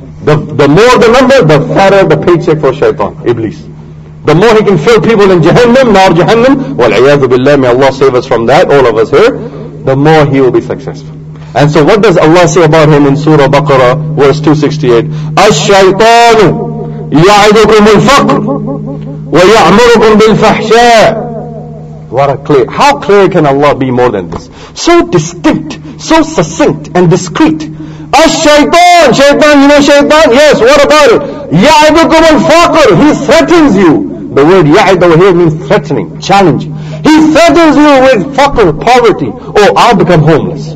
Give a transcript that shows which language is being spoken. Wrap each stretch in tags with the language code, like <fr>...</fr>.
<en>The more the number, the fatter the paycheck for shaitan, Iblis. The more he can fill people in Jahannam, Nar Jahannam, wal-ayyadu billah, may Allah save us from that, all of us here, the more he will be successful. And so what does Allah say about him in Surah Baqarah, verse 268?</en> <ar>الشيطان يعدكم الفقر ويعمركم بالفحشاء.</ar> <en>What a clear, how clear can Allah be more than this? So distinct, so succinct and discreet. الشيطان, shaitan, you know shaitan? Yes, what about it?</en> <ar>يعدكم الفقر,</ar> <en>he threatens you. The word ya'id over here means threatening, challenge. He threatens you with faqr, poverty. Oh, I'll become homeless.</en>